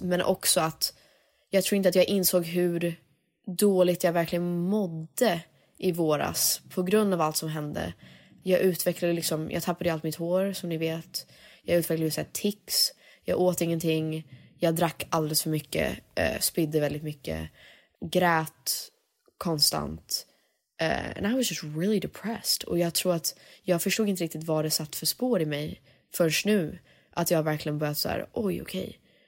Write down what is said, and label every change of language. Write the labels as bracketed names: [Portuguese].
[Swedish] Men också att jag tror inte att jag insåg hur dåligt jag verkligen mådde i våras på grund av allt som hände. Jag utvecklade liksom, jag tappade allt mitt hår som ni vet. Jag utvecklade så här tics, jag åt ingenting, jag drack alldeles för mycket, spydde väldigt mycket, grät konstant. [English] And I was just really depressed. [Swedish] Och jag tror att jag förstod inte riktigt vad det satt för spår i mig först nu. Att jag verkligen börjat så här, oj okej.